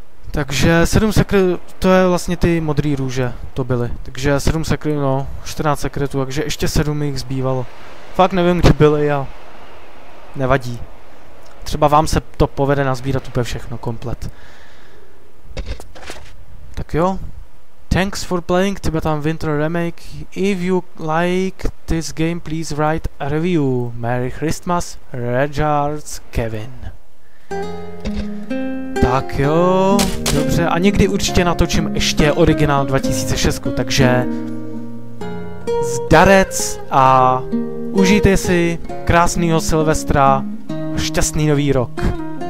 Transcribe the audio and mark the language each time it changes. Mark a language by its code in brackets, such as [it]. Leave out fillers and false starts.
[cs] Takže 7 sekretů, to je vlastně ty modrý růže, to byly. Takže 7 sekretů, no, 14 sekretů, takže ještě 7 jich zbývalo. Fakt nevím, kde byly a nevadí. Třeba vám se to povede nazbírat úplně všechno, komplet. Tak jo. [en] Thanks for playing Tibetan Winter Remake. If you like this game, please write a review. Merry Christmas, Regards, Kevin. [cs] Tak jo, dobře, a někdy určitě natočím ještě originál 2006, takže zdarec a užijte si krásnýho Silvestra, šťastný nový rok.